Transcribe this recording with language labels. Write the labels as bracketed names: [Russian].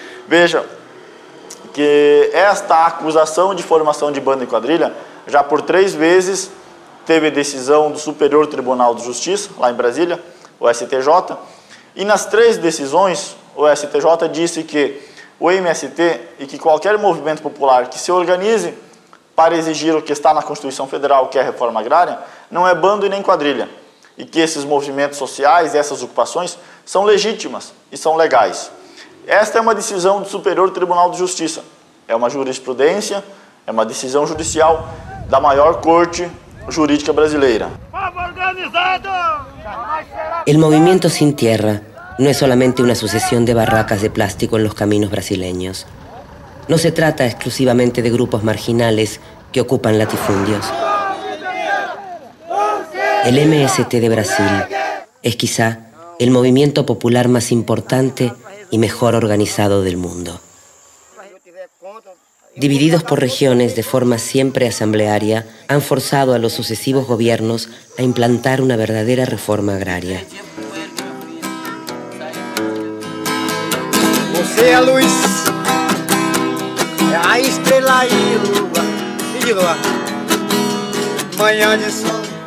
[Portuguese] Veja que esta acusação de formação de bando e quadrilha já por 3 vezes teve decisão do Superior Tribunal de Justiça, lá em Brasília, o STJ, e nas 3 decisões o STJ disse que o MST e que qualquer movimento popular que se organize para exigir o que está na Constituição Federal, que é a reforma agrária, não é bando e nem quadrilha, e que esses movimentos sociais, essas ocupações, são legítimas e são legais. Esta é uma decisão do Superior Tribunal de Justiça, é uma jurisprudência, é uma decisão judicial da maior corte jurídica brasileira. [Spanish] El movimiento sin tierra no es solamente una sucesión de barracas de plástico en los caminos brasileños. No se trata exclusivamente de grupos marginales que ocupan latifundios. El MST de Brasil es quizá el movimiento popular más importante y mejor organizado del mundo. divididos por regiones de forma siempre asamblearia, han forzado a los sucesivos gobiernos a implantar una verdadera reforma agraria. [Portuguese] Você é a luz, é a estrela e lua, e de lua, manhã de sol.